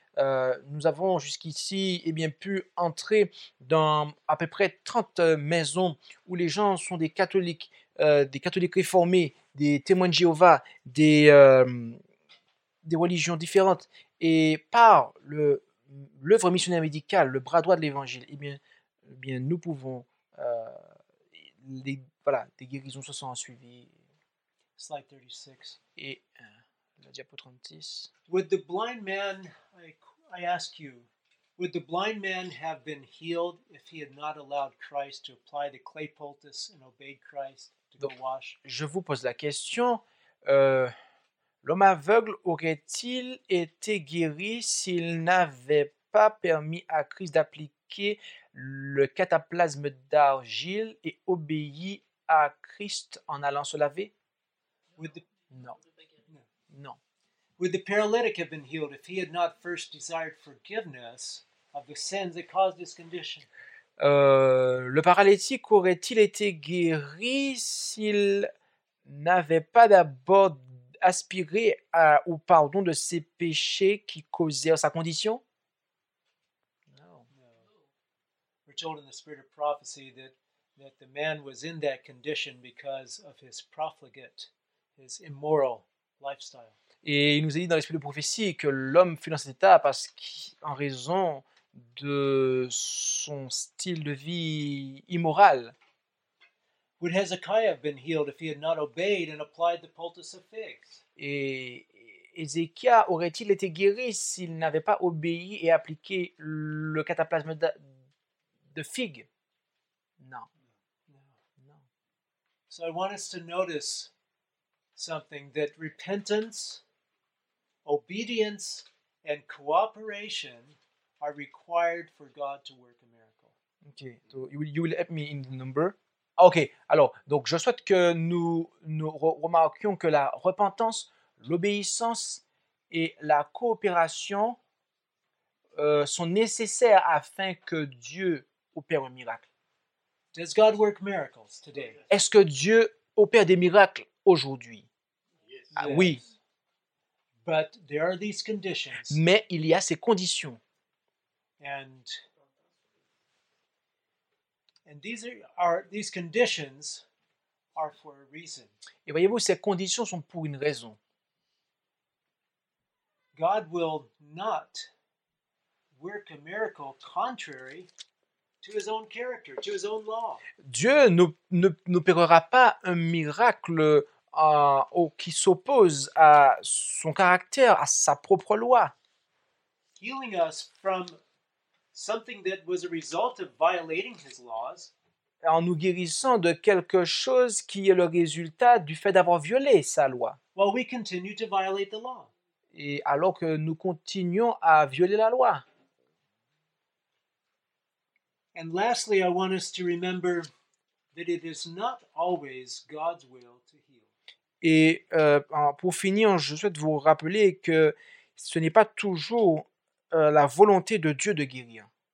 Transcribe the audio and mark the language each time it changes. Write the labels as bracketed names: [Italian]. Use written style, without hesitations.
[French] Nous avons jusqu'ici pu entrer dans à peu près 30 maisons où les gens sont des catholiques réformés, des témoins de Jéhovah, des religions différentes. Et par l'œuvre missionnaire médicale, le bras droit de l'Évangile, nous pouvons, des guérisons se sont suivies. [English] Slide 36. [French] Et la diapo 36. [English] Would the blind man, I ask you, would the blind man have been healed if he had not allowed Christ to apply the clay poultice and obeyed Christ to go wash? [French] Je vous pose la question. L'homme aveugle aurait-il été guéri s'il n'avait pas permis à Christ d'appliquer le cataplasme d'argile et obéi à Christ en allant se laver? Non. [English] Would the paralytic have been healed if he had not first desired forgiveness of the sins that caused his condition? [French] Le paralytique aurait-il été guéri s'il n'avait pas d'abord aspiré au pardon de ses péchés qui causèrent sa condition? [English] No. We're told in the spirit of prophecy that the man was in that condition because of his profligate, his immoral lifestyle. [French] Et il nous est dit dans l'esprit de prophétie que l'homme fut dans cet état parce qu'en raison de son style de vie immoral. [English] Would Hezekiah have been healed if he had not obeyed and applied the poultice of figs? [French] Et Ézéchias aurait-il été guéri s'il n'avait pas obéi et appliqué le cataplasme de figues? Non. [English] So I want us to notice something, that repentance, obedience and cooperation are required for God to work a miracle. Okay, so you will help me in the number. [French] Ok, alors, donc je souhaite que nous remarquions que la repentance, l'obéissance et la coopération sont nécessaires afin que Dieu opère un miracle. [English] Does God work miracles today? [French] Est-ce que Dieu opère des miracles aujourd'hui? [English] Yes. [French] Ah, oui. [English] But there are these conditions. [French] Mais il y a ces conditions. [English] And these conditions are for a reason. [French] Et voyez-vous, ces conditions sont pour une raison. [English] God will not work a miracle contrary to his own character, to his own law. [French] Dieu n'opérera pas un miracle qui s'oppose à son caractère, à sa propre loi. [English] Healing us from something that was a result of violating his laws, [French] en nous guérissant de quelque chose qui est le résultat du fait d'avoir violé sa loi. [English] Well, we continue to violate the law. [French] Et alors que nous continuons à violer la loi. [English] And lastly, I want us to remember that it is not always God's will to heal. [French] Et pour finir, je souhaite vous rappeler que ce n'est pas toujours la volonté de Dieu de guérir.